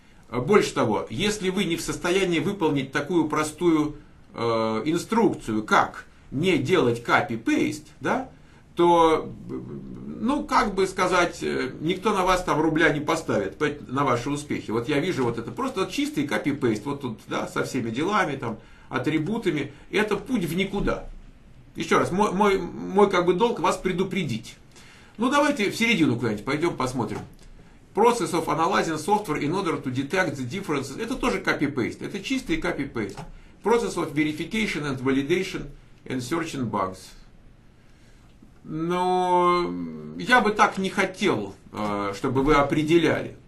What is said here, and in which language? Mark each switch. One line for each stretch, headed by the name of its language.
Russian: Больше того, если вы не в состоянии выполнить такую простую инструкцию, как не делать copy-paste, да, то, ну, как бы сказать, никто на вас там рубля не поставит, на ваши успехи. Вот я вижу вот это, просто чистый copy-paste, вот тут, да, со всеми делами, там, атрибутами, это путь в никуда. Еще раз, мой как бы долг вас предупредить. Ну, давайте в середину куда-нибудь пойдем посмотрим.
English: Process of analyzing software in order to detect the differences.
Russian: Это тоже copy-paste. Это чистый copy-paste.
English: Process of verification and validation and searching bugs.
Russian: Но я бы так не хотел, чтобы вы определяли.